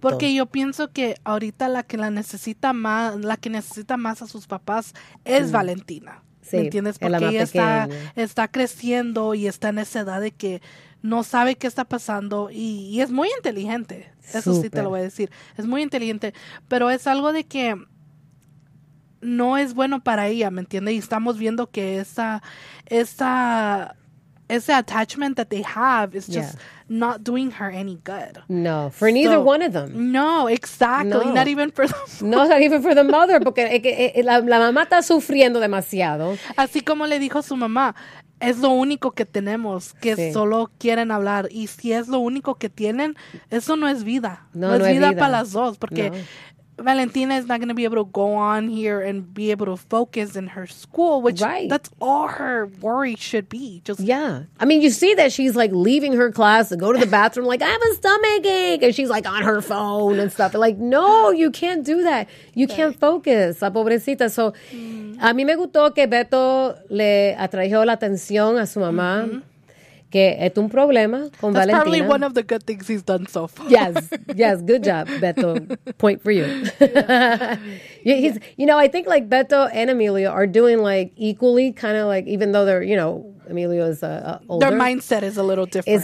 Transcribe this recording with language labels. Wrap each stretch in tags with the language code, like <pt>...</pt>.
<es>Porque yo pienso que ahorita la que necesita más a sus papás es Valentina. Sí, ¿me entiendes? Porque ella está creciendo y está en esa edad de que no sabe qué está pasando y es muy inteligente. Eso Súper. Sí te lo voy a decir. Es muy inteligente, pero es algo de que no es bueno para ella, ¿me entiendes? Y estamos viendo que ese</es> <en>attachment that they have is just not doing her any good. No, for neither one of them. No, exactly. No. Not even for the mother. No, not even for the mother,</en> <es>porque la mamá está sufriendo demasiado. Así como le dijo su mamá, es lo único que tenemos, que sí. Solo quieren hablar. Y si es lo único que tienen, eso no es vida. No es vida. Para las dos, porque</es> <en>Valentina is not going to be able to go on here and be able to focus in her school, which that's all her worry should be. I mean, you see that she's like leaving her class to go to the bathroom, like, I have a stomach ache. And she's like on her phone and stuff. Like, no, you can't do that. You can't focus.</en> <es>La pobrecita. So, a mí me gustó que Beto le atrajo la atención a su mamá. Mm-hmm. Que es un problema con</es> <en>That's Valentina. That's probably one of the good things he's done so far. Yes, good job, Beto. Point for you. Yeah. You know, I think like Beto and Emilio are doing like equally kind of like, even though they're, you know, Emilio is older. Their mindset is a little different.</en>